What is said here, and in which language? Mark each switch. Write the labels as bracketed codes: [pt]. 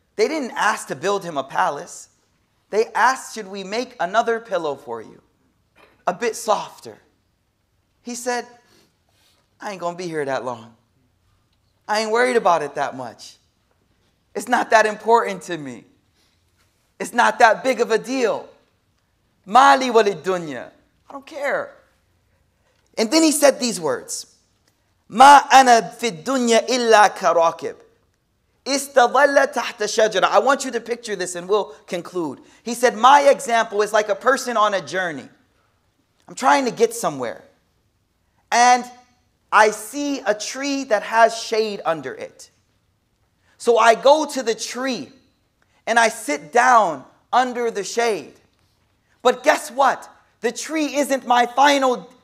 [en] They didn't ask to build him a palace. They asked, should we make another pillow for you? A bit softer. He said, I ain't gonna be here that long. I ain't worried about it that much. It's not that important to me. It's not that big of a deal. [ar] Mali walid dunya. [en] I don't care. And then he said these words, [ar] ما أنا في الدنيا إلا كراكب استظل تحت شجرة. [en] I want you to picture this and we'll conclude. He said, my example is like a person on a journey. I'm trying to get somewhere. And I see a tree that has shade under it. So I go to the tree and I sit down under the shade. But guess what? The tree isn't my final